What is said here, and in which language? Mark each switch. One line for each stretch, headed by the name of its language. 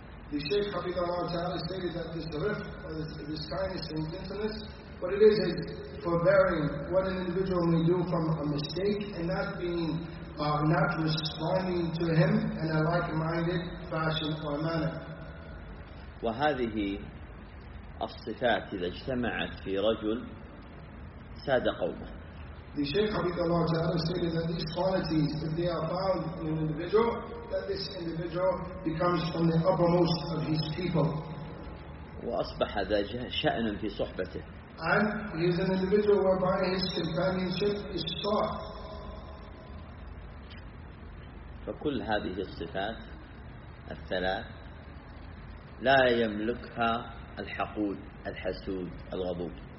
English: The Shaykh Hafidhahullah Ta'ala stated that this rifq, or this kindness and gentleness, what it is forbearing what an individual may do from a mistake and not being, not responding to him in a like-minded fashion or manner.
Arabic: وهذه الصفات إذا اجتمعت في رجل ساد قومه.
English: The Shaykh Hafidhahullah Ta'ala stated that these qualities, if they are found in an individual, that this individual becomes from the uppermost of his people.
Arabic: وأصبح ذا شأن في صحبته.
English: And he is an individual whereby his companionship is sought.
Arabic: فكل هذه الصفات الثلاث لا يملكها الحقود الحسود الغضوب.